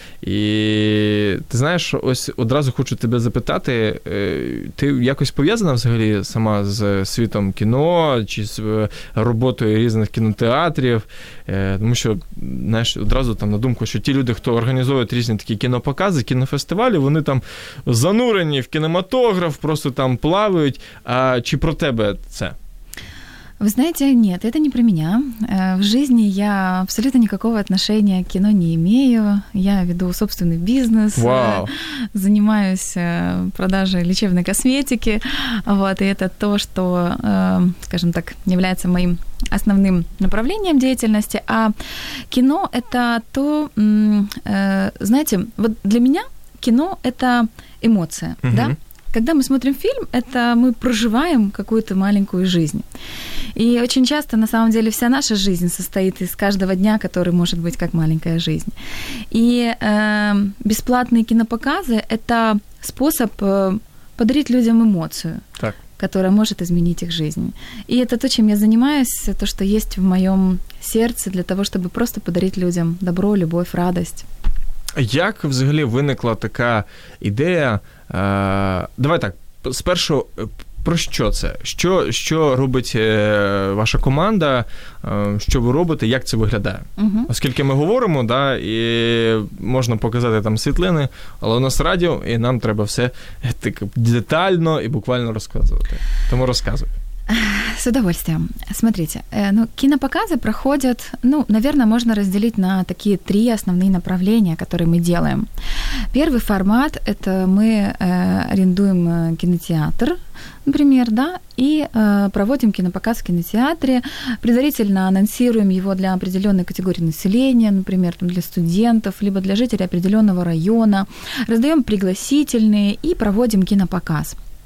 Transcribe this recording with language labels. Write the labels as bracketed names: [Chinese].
[Ukrainian] І ти знаєш, ось одразу хочу тебе запитати, ти якось пов'язана взагалі сама з світом кіно, чи з роботою різних кінотеатрів? Тому що, знаєш, одразу там на думку, що ті люди, хто організовують різні такі кінопокази, кінофестивалі, вони там занурені в кінематограф, просто там плавають. А чи про тебе це? [Russian] Вы знаете, нет, это не про меня. В жизни я абсолютно никакого отношения к кино не имею. Я веду собственный бизнес. Вау. Занимаюсь продажей лечебной косметики. Вот, и это то, что, скажем так, является моим основным направлением деятельности. А кино — это то... знаете, вот для меня кино — это эмоция. Угу. Да? Когда мы смотрим фильм, это мы проживаем какую-то маленькую жизнь. И очень часто, на самом деле, вся наша жизнь состоит из каждого дня, который может быть как маленькая жизнь. И бесплатные кинопоказы — это способ подарить людям эмоцию, так, которая может изменить их жизнь. И это то, чем я занимаюсь, то, что есть в моем сердце для того, чтобы просто подарить людям добро, любовь, радость. [Ukrainian] Как взагалі виникла така ідея? Давай так, спершу, про що це? Що робить ваша команда? Що ви робите? Як це виглядає? Uh-huh. Оскільки ми говоримо, да, і можна показати там світлини, але у нас радіо, і нам треба все так детально і буквально розказувати. Тому розказуй. [Russian] С удовольствием. Смотрите, ну, кинопоказы проходят, ну, наверное, можно разделить на такие три основные направления, которые мы делаем. Первый формат – это мы арендуем кинотеатр, например, да, и проводим кинопоказ в кинотеатре, предварительно анонсируем его для определенной категории населения, например, там, для студентов, либо для жителей определенного района, раздаем пригласительные и проводим кинопоказ.